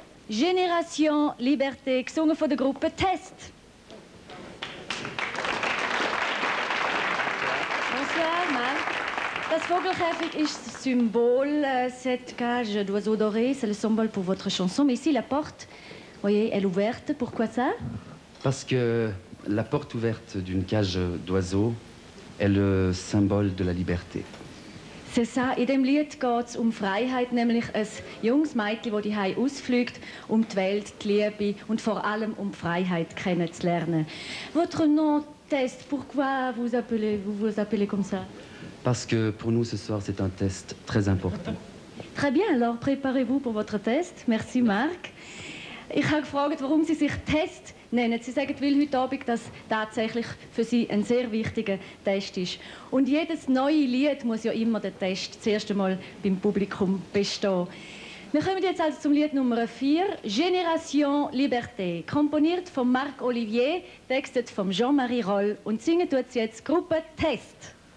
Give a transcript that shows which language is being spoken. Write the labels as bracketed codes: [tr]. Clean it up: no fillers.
[de] Génération Liberté, gesungen von der Gruppe Test. [fr] Bonsoir, Marc. [de] Das Vogelkäfig ist das Symbol. [fr] Cette cage d'oiseau doré, c'est le symbole pour votre chanson. Mais ici, la porte, voyez, elle est ouverte. Pourquoi ça? Parce que La porte ouverte d'une cage d'oiseau est le symbole de la liberté. C'est ça, [de] in dem Lied geht's Freiheit, nämlich ein junges Mädchen, das zuhause ausfliegt, die Welt, die Liebe und vor allem Freiheit kennenzulernen. [fr] Votre nom, test, pourquoi vous appelez comme ça? Parce que pour nous ce soir c'est un test très important. Très bien, alors préparez-vous pour votre test. Merci Marc. [de] Ich habe gefragt, warum Sie sich Test nennen. Sie sagen, weil heute Abend das tatsächlich für Sie ein sehr wichtiger Test ist. Und jedes neue Lied muss ja immer den Test zuerst einmal beim Publikum bestehen. Wir kommen jetzt also zum Lied Nummer 4, Génération Liberté, komponiert von Marc Olivier, textet von Jean-Marie Roll und singen tut sie jetzt Gruppe Test.